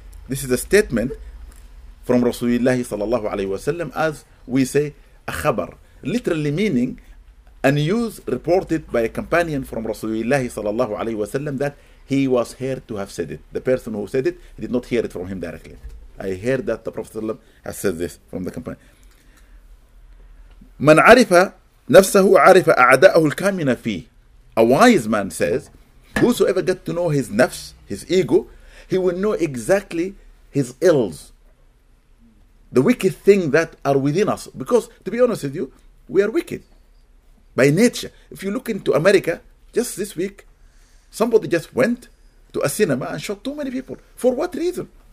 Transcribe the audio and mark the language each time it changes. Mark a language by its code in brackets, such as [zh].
[en] This is a statement from Rasulullah sallallahu alayhi wa sallam, as we say, a khabar. Literally meaning a news reported by a companion from Rasulullah sallallahu alayhi wa sallam that he was heard to have said it. The person who said it, he did not hear it from him directly. I heard that the Prophet has said this from the companion. [ar] من عرف نفسه عارف أعداءه الكامن فيه. [en] A wise man says, whosoever get to know his nafs, his ego, he will know exactly his ills, the wicked thing that are within us. Because to be honest with you, we are wicked by nature. If you look into America, just this week, somebody just went to a cinema and shot too many people. For what reason?